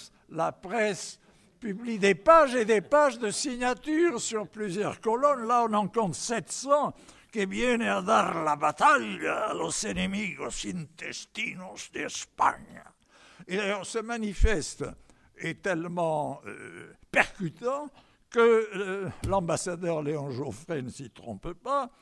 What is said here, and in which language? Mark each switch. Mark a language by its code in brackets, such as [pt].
[fr] La presse publie des pages et des pages de signatures sur plusieurs colonnes. Là, on en compte 700. [es] Que viene a dar la batalla a los enemigos intestinos de España. [fr] Et d'ailleurs, ce manifeste est tellement percutant que l'ambassadeur Léon Joffré ne s'y trompe pas.